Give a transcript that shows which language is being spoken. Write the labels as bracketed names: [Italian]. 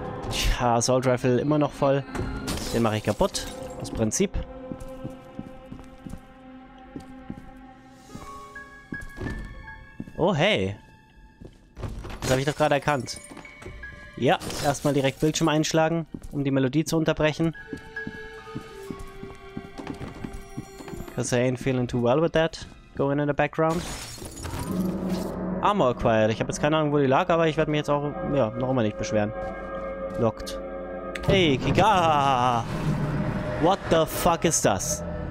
[German] Tja, Assault Rifle immer noch voll. Den mache ich kaputt, aus Prinzip. Oh, hey. Das habe ich doch gerade erkannt. Ja, erstmal direkt Bildschirm einschlagen, um die Melodie zu unterbrechen. [English] Because I ain't feeling too well with that going in the background. Armor acquired. [German] Ich habe jetzt keine Ahnung, wo die lag, aber ich werde mich jetzt auch, ja, noch immer nicht beschweren. [English] Locked. Hey, Kika! What the fuck is das?